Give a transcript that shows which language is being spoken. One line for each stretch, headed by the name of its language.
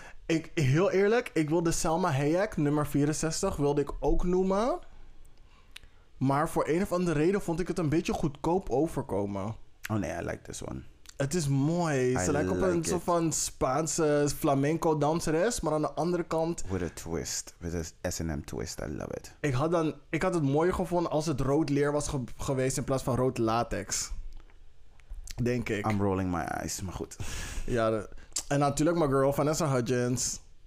Dutch: Ik, heel eerlijk, ik wilde Selma Hayek, nummer 64, wilde ik ook noemen. Maar voor een of andere reden vond ik het een beetje goedkoop overkomen.
English: Oh nee, I like this one.
Dutch: Het is mooi. Ze lijkt op een soort van Spaanse flamenco danseres, maar aan de andere kant...
English: With a twist, with a S&M twist, I love it.
Dutch: Ik had het mooier gevonden als het rood leer was geweest in plaats van rood latex. Denk ik.
English: I'm rolling my eyes, maar goed.
Dutch: Ja, en natuurlijk mijn girl Vanessa Hudgens.